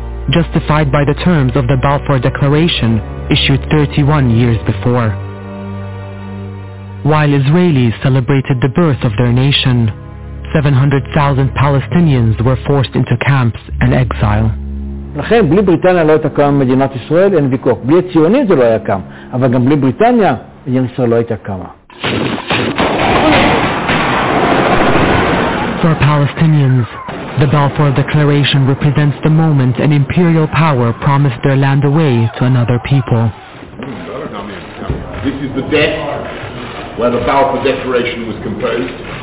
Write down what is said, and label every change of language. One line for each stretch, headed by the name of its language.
English: Justified by the terms of the Balfour Declaration, issued 31 years before. While Israelis celebrated the birth of their nation, 700,000 Palestinians were forced into camps and exile.
Hebrew: לכן בלי בריטניה לא הייתה קמה מדינת ישראל, אין ויכוח. בלי הציונים זה לא היה קם, אבל גם בלי בריטניה מדינת ישראל לא הייתה קמה.
English: For Palestinians, the Balfour Declaration represents the moment an imperial power promised their land away to another people. This is the deck where the Balfour Declaration was composed.